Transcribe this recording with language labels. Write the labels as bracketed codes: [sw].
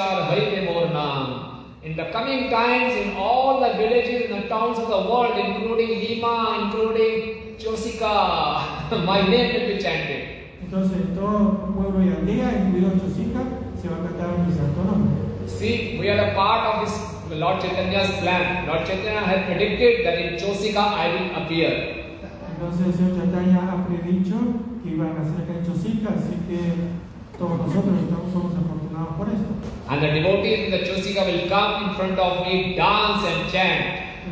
[en] In the coming times, in all the villages and the towns of the world, including Hima, including Chosica, my name will be chanted. [es] Entonces, todo pueblo y aldea, incluido Chosica, se va a cantar mi santo nombre. [en] See, we are a part of this Lord Chaitanya's plan. Lord Chaitanya has predicted that in Chosica I will appear. [es] Entonces, Señor Chaitanya ha predicho que iba a nacer acá en Chosica, así que todos nosotros estamos somos afortunados por esto. [en] And the devotees in the Chosica will come in front of me, dance and chant.